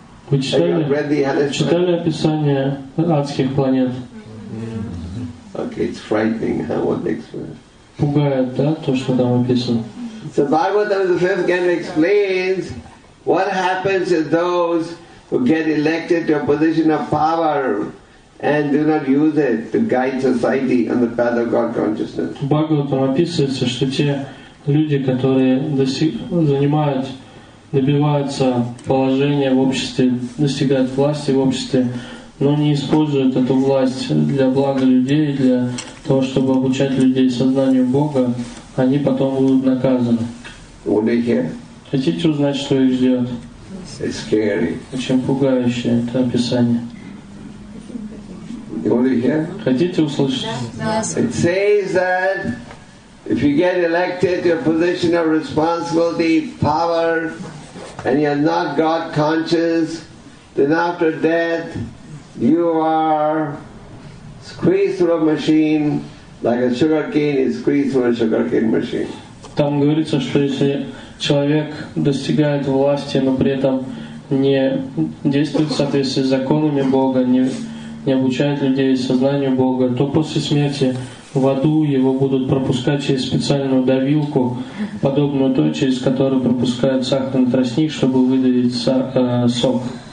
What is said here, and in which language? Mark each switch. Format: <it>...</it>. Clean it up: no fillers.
<ru>Вы читали описание адских планет?</ru> <en>Okay, it's frightening, huh? What they explain.</en> <ru>Пугает, да, то, что там описано.</ru> <en>So Bhagavatam, the fifth canto, explains what happens to those who get elected to a position of power and do not use it to guide society on the path of God consciousness.</en> <ru>В Бхагаватам описывается, что те люди, которые добиваются положения в обществе, достигают власти в обществе, но не используют эту власть для блага людей, для того, чтобы обучать людей сознанию Бога, они потом будут наказаны. Хотите узнать, что их ждет?</ru> <en>It's scary.</en> <ru>Очень пугающее это описание. Хотите услышать?</ru> <en>It says that if you get elected to a position of responsibility, power, and you are not God conscious, then after death, you are squeezed through a machine like a sugar cane is squeezed through a sugar cane machine.</en> <ru>Там говорится, что если человек достигает власти, но при этом не действует в соответствии с законами Бога, не обучает людей сознанию Бога, то после смерти в аду его будут пропускать через специальную давилку, подобную той, через которую пропускают сахарный тростник, чтобы выдавить сок.</ru>